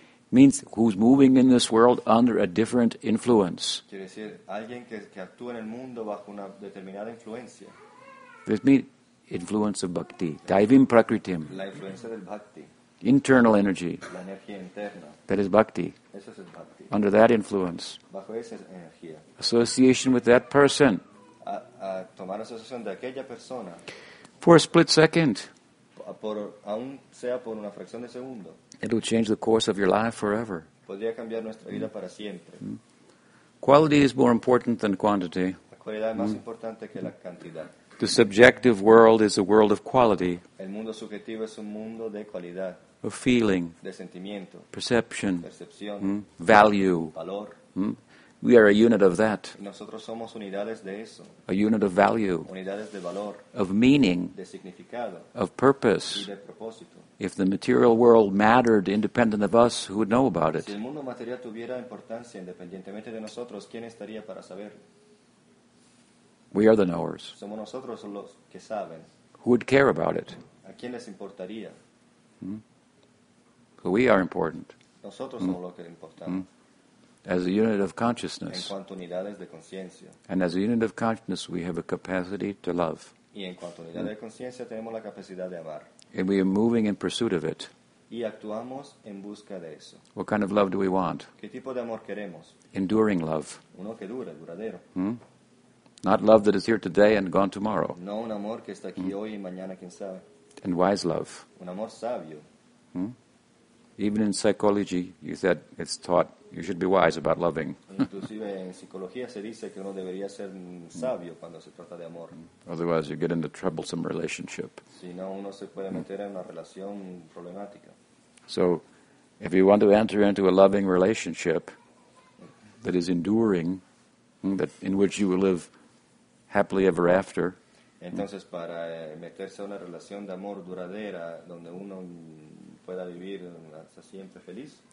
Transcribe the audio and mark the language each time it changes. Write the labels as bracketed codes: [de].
[en] Means who's moving in this world under a different influence. [es] Quiere decir, alguien que actúa en el mundo bajo una determinada influencia. [en] This means influence of bhakti. Daivim prakritim. [es] La influencia del bhakti. [en] Internal energy. [es] La energía interna. [en] That is bhakti. [es] Eso es bhakti. [en] Under that influence. [es] Bajo esa energía. [en] Association with that person. [es] A tomar asociación de aquella persona. [en] For a split second. [es] Aún sea por una fracción de segundo. [en] It will change the course of your life forever. [es] Podría cambiar nuestra vida para siempre. [en] Quality is more important than quantity. [es] La cualidad es más importante que la cantidad. [en] The subjective world is a world of quality. [es] El mundo subjetivo es un mundo de cualidad. [en] of feeling, [es] de sentimiento, [en] perception, [es] percepción, [en] value. [es] Valor. [en] We are a unit of that. [es] Nosotros somos unidades de eso. [en] A unit of value. [es] Unidades de valor. [en] Of meaning. [es] De significado. [en] Of purpose. [es] Y de propósito. [en] If the material world mattered independent of us, who would know about it? [es] Si el mundo material tuviera importancia independientemente de nosotros, ¿quién estaría para saberlo? [en] We are the knowers. [es] Somos nosotros los que saben. [en] Who would care about it? [es] ¿A quién les importaría? [en] So we are important. [es] Nosotros somos lo que importamos. [en] As a unit of consciousness. [es] En cuanto a unidades de conciencia. [en] And as a unit of consciousness, we have a capacity to love. [es] Y en cuanto a unidades de conciencia, tenemos la capacidad de amar. [en] And we are moving in pursuit of it. [es] Y actuamos en busca de eso. [en] What kind of love do we want? [es] ¿Qué tipo de amor queremos? [en] Enduring love. [es] Uno que dure, duradero. [en] Not love that is here today and gone tomorrow. [es] No un amor que está aquí hoy y mañana, quién sabe. [en] And wise love. [es] Un amor sabio. [en] Even in psychology, you said it's taught you should be wise about loving. [es] Inclusive en psicología se dice que uno debería ser sabio cuando se trata de amor. [en] Otherwise, you get into a troublesome relationship. [es] Si no, uno se puede meter en una relación problemática. [en] So, if you want to enter into a loving relationship that is enduring, that in which you will live happily ever after. [es] Entonces, para meterse a una relación de amor duradera donde uno pueda vivir hasta siempre feliz.